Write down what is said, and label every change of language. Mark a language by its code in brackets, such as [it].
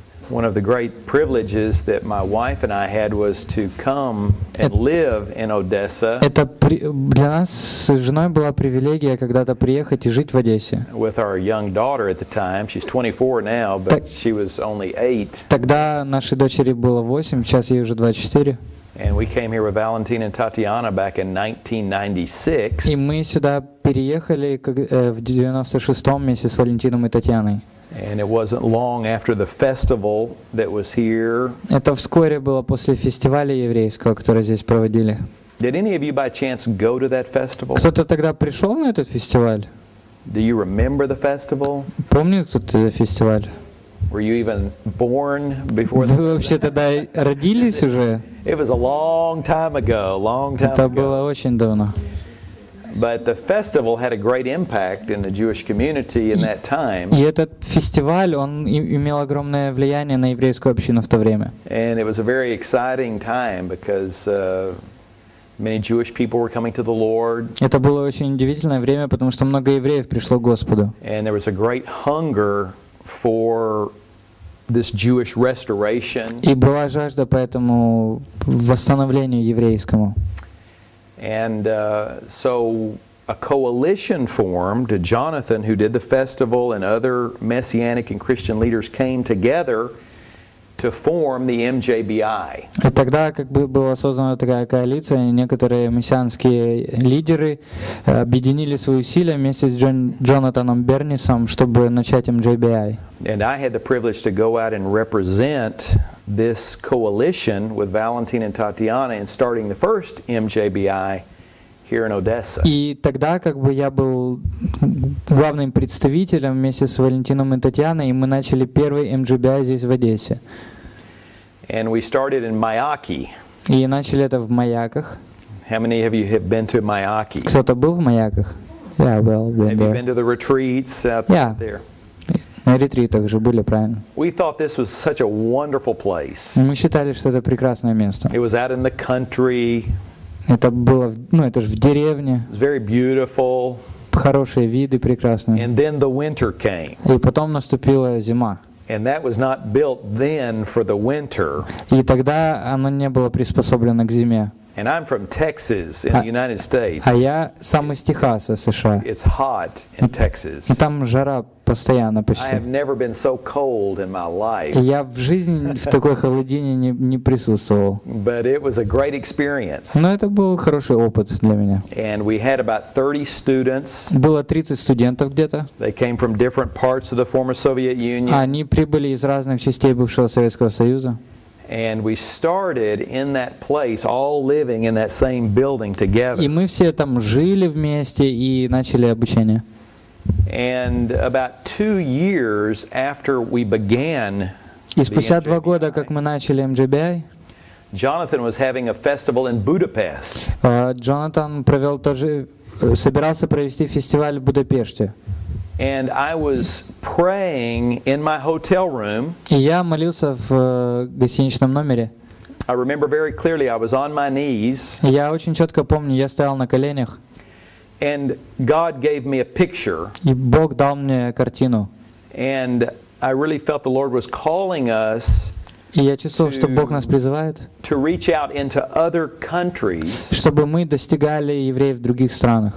[en] One of the great privileges that my wife and I had was to come and live in Odessa. [ru] Это для нас с женой была привилегия когда-то приехать и жить в Одессе. [en] With our young daughter at the time, she's 24 now, but she was only 8. [ru] Тогда нашей дочери было 8, сейчас ей уже 24. [en] And we came here with Valentina and Tatiana back in 1996. [ru] И мы сюда переехали в 96-м вместе с Валентином и Татьяной. [en] And it wasn't long after the festival that was here. [ru] Это вскоре было после фестиваля еврейского, который здесь проводили. [en] Did any of you by chance go to that festival? [ru] Кто-то тогда пришел на этот фестиваль? [en] Do you remember the festival? [ru] Помнишь этот фестиваль? [en] Were you even born before the festival? [ru] Вы вообще тогда родились уже? [en] It was a long time ago, long time ago. [ru] Это было очень давно. [en] But the festival had a great impact in the Jewish community in that time. [ru] И этот фестиваль, он имел огромное влияние на еврейскую общину в то время. [en] And it was a very exciting time because Many Jewish people were coming to the Lord. [ru] Это было очень удивительное время, потому что много евреев пришло к Господу. [en] And there was a great hunger for this Jewish restoration. [ru] И была жажда по этому восстановлению еврейскому. [en] And so a coalition formed. Jonathan, who did the festival, and other Messianic and Christian leaders came together to form the MJBI. [ru] И тогда как бы была создана такая коалиция, и некоторые мессианские лидеры объединили свои усилия вместе с Джонатаном Бернисом, чтобы начать MJBI. [en] And I had the privilege to go out and represent this coalition with Valentin and Tatiana in starting the first MJBI here in Odessa. [ru] И тогда как бы я был главным представителем вместе с Валентином и Татьяной, и мы начали первый MJBI здесь в Одессе. [en] And we started in Mayaki. [ru] И начали это в Маяках. [en] How many of you have been to Mayaki? [ru] Кто-то был в Маяках? [en] Yeah, well, been there. You been to the retreats out yeah. there? [ru] На ретритах же были, правильно? [en] We thought this was such a wonderful place. [ru] Мы считали, что это прекрасное место. [en] It was out in the country. [ru] Это было, ну, это же в деревне. [en] It was very beautiful. [ru] Хорошие виды, прекрасные. [en] And then the winter came. [ru] И потом наступила зима. [en] And that was not built then for the winter. [ru] И тогда оно не было приспособлено к зиме. [en] And I'm from Texas in the United States. [ru] А я сам из Техаса, США. [en] It's hot in Texas. [ru] И там жара постоянно почти. [en] I have never been so cold in my life. [ru] Я в жизни в такой холодине не присутствовал. [en] But it was a great experience. [ru] Но это был хороший опыт для меня. [en] And we had about 30 students. [ru] Было 30 студентов где-то. [en] They came from different parts of the former Soviet Union. [ru] Они прибыли из разных частей бывшего Советского Союза. [en] And we started in that place, all living in that same building together. [ru] И мы все там жили вместе и начали обучение. [en] And about 2 years after we began, [ru] и спустя два года, как мы начали MJBI, [en] Jonathan was having a festival in Budapest. [ru] Джонатан провел тоже, собирался провести фестиваль в Будапеште. [en] And I was praying in my hotel room. [ru] И я молился в гостиничном номере. [en] I remember very clearly I was on my knees. [ru] Я очень четко помню, я стоял на коленях. [en] And God gave me a picture. [ru] И Бог дал мне картину. [en] And I really felt the Lord was calling us. [ru] И я чувствовал, что Бог нас призывает, [en] to reach out into other countries. [ru] Чтобы мы достигали евреев в других странах.